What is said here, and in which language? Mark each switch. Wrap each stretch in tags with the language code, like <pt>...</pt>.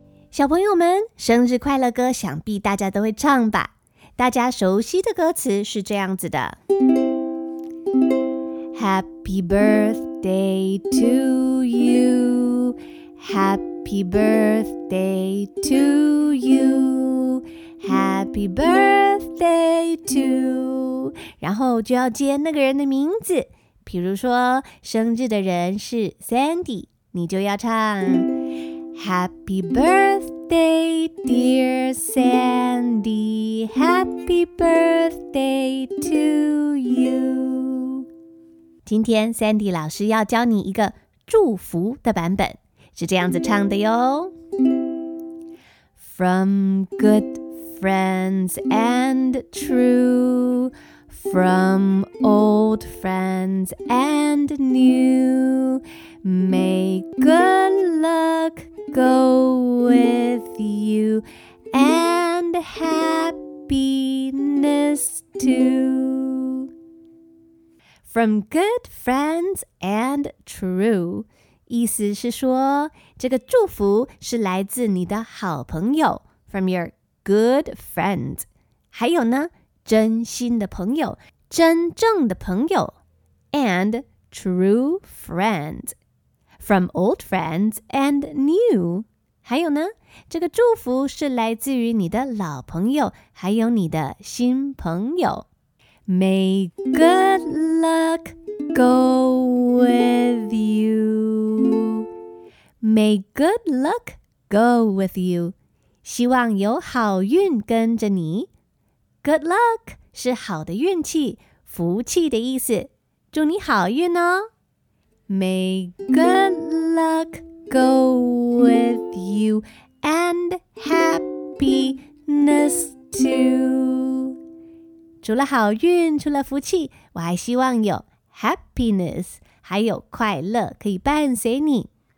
<zh>小朋友们，生日快乐歌想必大家都会唱吧？大家熟悉的歌词是这样子的</zh> <en>：Happy birthday to you, Happy birthday to you, Happy birthday to。</en> <zh>然后就要接那个人的名字，比如说生日的人是 Sandy， 你就要唱。</zh> <en>Happy birthday, dear Sandy. Happy birthday to you.</en> <zh>今天 Sandy 老师要教你一个祝福的版本，是这样子唱的哟。</zh> <en>From good friends and true, from old friends and new, may good luck go with you and happiness too. From good friends and true，</en> <zh>意思是说这个祝福是来自你的好朋友，</zh> <en>from your good friends，</en> <zh>还有呢真心的朋友，真正的朋友，</zh> <en>and true friends。 From old friends and new，</en> <zh>还有呢，这个祝福是来自于你的老朋友，还有你的新朋友。</zh> <en>May good luck go with you. May good luck go with you.</en> <zh>希望有好运跟着你。 Good luck 是好的运气、福气的意思。祝你好运哦。</zh> <en>May good luck go with you and happiness too.</en> <zh>除了好运，除了福气，我还希望有 happiness， 还有快乐可以伴随你。</zh>